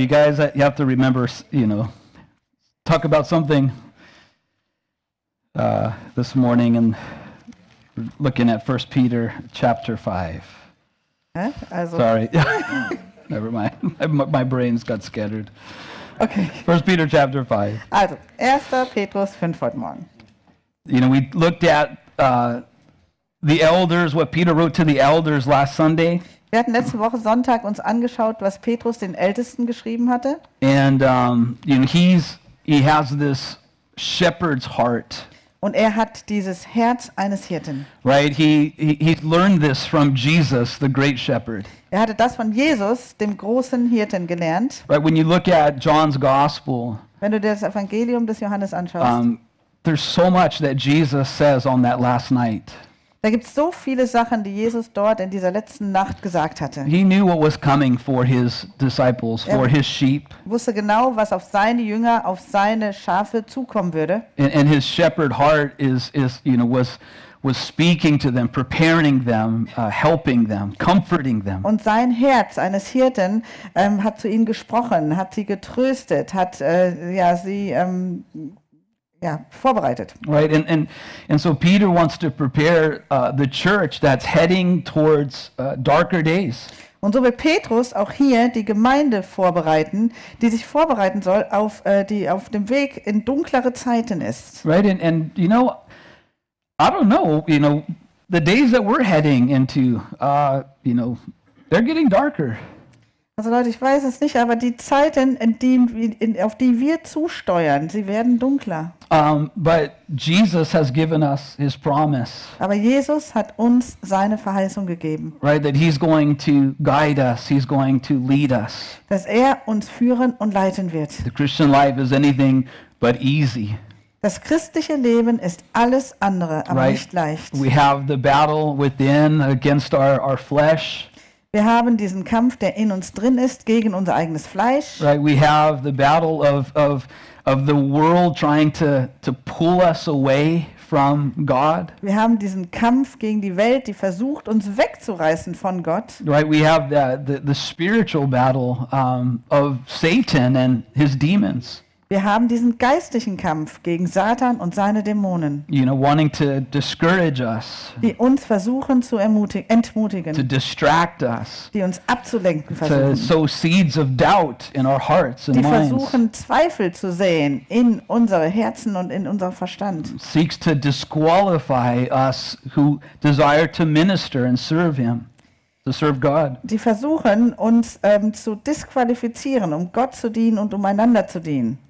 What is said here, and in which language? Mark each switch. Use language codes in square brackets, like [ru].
[en] You guys, you have to remember, you know, talk about something this morning and looking at 1 Peter chapter 5. Sorry. Never mind. My brain's got scattered. Okay. 1 Peter chapter 5. [de] Also, 1. Petrus 5 heute morgen. [en] You know, we looked at the elders, what Peter wrote to the elders last Sunday. [de] Wir hatten letzte Woche Sonntag uns angeschaut, was Petrus den Ältesten geschrieben hatte. [en] And you know, he has this shepherd's heart. [de] Und er hat dieses Herz eines Hirten. [en] Right, he learned this from Jesus, the great shepherd. [de] Er hatte das von Jesus, dem großen Hirten, gelernt. [en] Right, when you look at John's gospel. [de] Wenn du das Evangelium des Johannes anschaust. [en] There's so much that Jesus says on that last night. [de] Da gibt es so viele Sachen, die Jesus dort in dieser letzten Nacht gesagt hatte. [en] He knew what was coming for his disciples, for his sheep. [de] Wusste genau, was auf seine Jünger, auf seine Schafe zukommen würde. [en] And his shepherd heart is you know was speaking to them, preparing them, helping them, comforting them. [de] Und sein Herz eines Hirten hat zu ihnen gesprochen, hat sie getröstet, hat sie vorbereitet. [en] Right, and so Peter wants to prepare the church that's heading towards darker days. [de] Und so will Petrus auch hier die Gemeinde vorbereiten, die sich vorbereiten soll auf die auf dem Weg in dunklere Zeiten ist. [en] Right, and you know, I don't know, you know, the days that we're heading into, you know, they're getting darker. [de] Also Leute, ich weiß es nicht, aber die Zeiten, auf die wir zusteuern, sie werden dunkler. [en] But Jesus has given us his promise. [de] Aber Jesus hat uns seine Verheißung gegeben. [en] Right, that he's going to guide us, he's going to lead us. [de] Dass er uns führen und leiten wird. [en] The Christian life is anything but easy. [de] Das christliche Leben ist alles andere, aber nicht leicht. [en] We have the battle within against our flesh. [de] Wir haben diesen Kampf, der in uns drin ist, gegen unser eigenes Fleisch. [en] Right, we have the battle of the world trying to pull us away from God. [de] Wir haben diesen Kampf gegen die Welt, die versucht, uns wegzureißen von Gott. [en] Right, we have the spiritual battle of Satan and his demons. [de] Wir haben diesen geistlichen Kampf gegen Satan und seine Dämonen. [en] You know, wanting to discourage us. [de] Die uns versuchen zu entmutigen. [en] To distract us. [de] Die uns abzulenken versuchen. [en] To sow seeds of doubt in our hearts and minds. [de] Die versuchen Zweifel zu säen in unsere Herzen und in unserem Verstand. [en] Seeks to disqualify us who desire to minister and serve him. To serve God. [de] Die versuchen uns zu disqualifizieren, um Gott zu dienen und einander zu dienen.